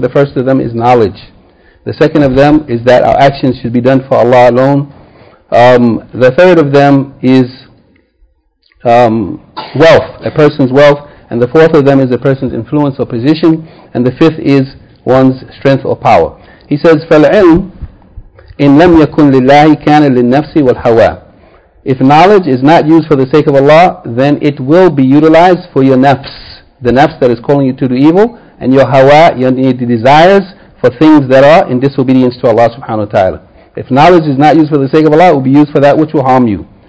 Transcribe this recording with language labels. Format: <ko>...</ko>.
<en>The first of them is knowledge. The second of them is that our actions should be done for Allah alone. The third of them is wealth, a person's wealth. And the fourth of them is a person's influence or position. And the fifth is one's strength or power. He says,</en> <ar>فَالْعِلْمُ إِنْ لَمْ يَكُنْ لِلَّهِ كَانَ لِلنَّفْسِ وَالْحَوَىٰ.</ar> <en>If knowledge is not used for the sake of Allah, then it will be utilized for your nafs, the nafs that is calling you to do evil, and your hawa, your desires for things that are in disobedience to Allah subhanahu wa ta'ala. If knowledge is not used for the sake of Allah, it will be used for that which will harm you.</en>